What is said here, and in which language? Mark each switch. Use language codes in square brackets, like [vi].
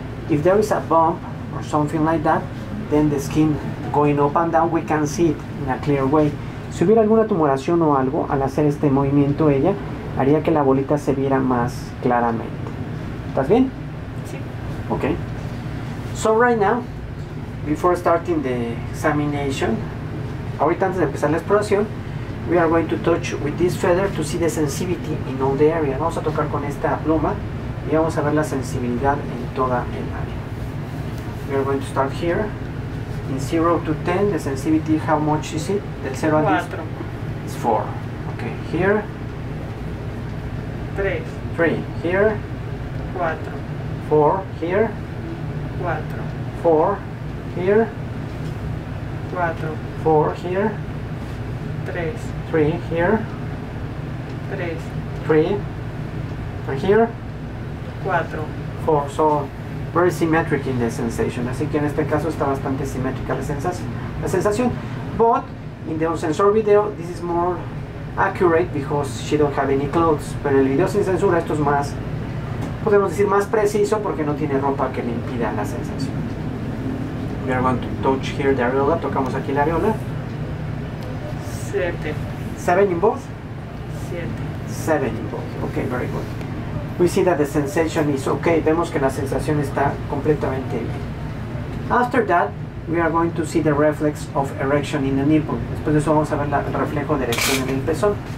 [en] If there is a bump or something like that, then the skin going up and down, we can see it in a clear way. [es] Si hubiera alguna tumoración o algo, al hacer este movimiento ella, haría que la bolita se viera más claramente. ¿Estás bien? Sí. [en] Ok. So right now, before starting the examination, [es] ahorita antes de empezar la exploración, [en] we are going to touch with this feather to see the sensitivity in all the area. [es] Vamos a tocar con esta pluma y vamos a ver la sensibilidad en toda el área. [en] We are going to start here. In 0 to 10, the sensitivity, how much is it? [es] Del 0 4. A 10? 4. [en] It's 4. Okay, here? [es] 3. [en] 3. Here? [es] 4. [en] 4. Here? [es] 4. [en] 4. Here? [es] 4. [en] 4. Here? [es] 3. [en] 3. Here? [es] 3. [en] 3. And here? [es] 4. [en] 4. So, very symmetric in the sensation. [es] Así que en este caso está bastante simétrica la sensación. [en] But in the on-sensor video, this is more accurate because she don't have any clothes. [es] Pero en el video sin censura, esto es más, podemos decir, más preciso porque no tiene ropa que le impida la sensación. [en] We are going to touch here the areola. [es] Tocamos aquí la areola. 7. [en] 7 in both? [es] 7. [en] 7 in both. Ok, very good. We see that the sensation is okay. [es] Vemos que la sensación está completamente bien. [en] After that, we are going to see the reflex of erection in the nipple. [es] Después de eso vamos a ver el reflejo de erección en el pezón.